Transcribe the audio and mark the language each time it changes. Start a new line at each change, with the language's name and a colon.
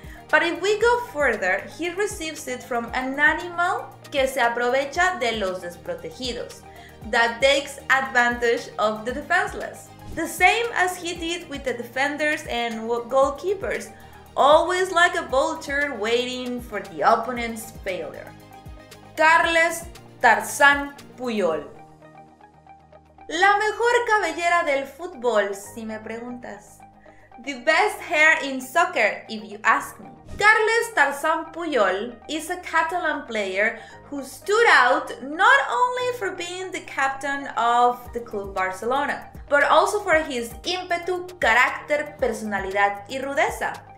English: But if we go further, he receives it from an animal
Spanish: que se aprovecha de los desprotegidos,
English: that takes advantage of the defenseless. The same as he did with the defenders and goalkeepers, always like a vulture waiting for the opponent's failure. Carles Tarzan Puyol.
Spanish: La mejor cabellera del fútbol, si me preguntas.
English: The best hair in soccer, if you ask me. Carles Tarzan Puyol is a Catalan player who stood out not only for being the captain of the club Barcelona, but also for his
Spanish: ímpetu, carácter, personalidad y rudeza.